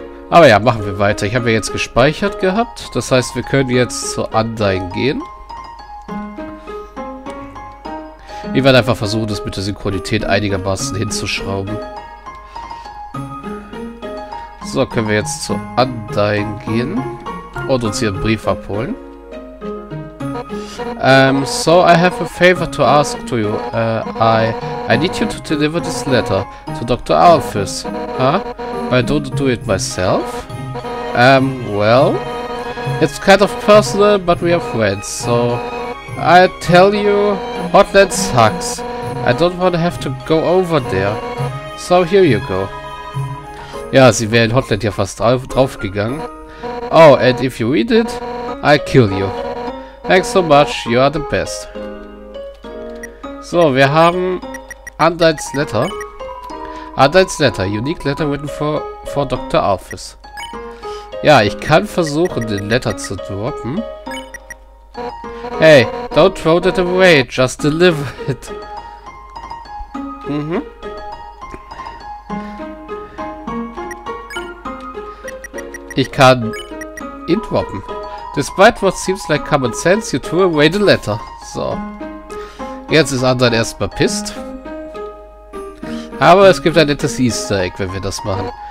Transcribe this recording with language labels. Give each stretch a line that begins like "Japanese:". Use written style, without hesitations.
German: Aber ja, machen wir weiter. Ich habe ja jetzt gespeichert gehabt. Das heißt, wir können jetzt zur Undyne gehen. Ich werde einfach versuchen, das mit der Synchronität einigermaßen hinzuschrauben. So, können wir jetzt zur Undyne gehen und uns hier einen Brief abholen.
English: So I have a favor to ask to you. I need you to deliver this letter to Dr. Alphys. Huh? I don't do it myself. Well, it's kind of personal, but we are friends, so I tell you, Hotland sucks. I don't want to have to go over there. So here you go.
German: Ja, sie wäre in Hotland ja fast drauf gegangen.
English: Oh, and if you read it, I'll kill you. Thanks so much, you are the best.
German: So, wir haben Undyne's Letter.
English: Undyne's Letter, unique letter written for Dr. Alphys.
German: Ja, ich kann versuchen, den Letter zu droppen.
English: Hey, don't throw that away, just deliver it. Mhm.
German: Ich kann ihn droppen.
English: Despite what seems like common sense, you threw away the letter.
German: So. Jetzt ist Undyne erstmal pissed. Aber es gibt ein nettes Easter Egg, wenn wir das machen.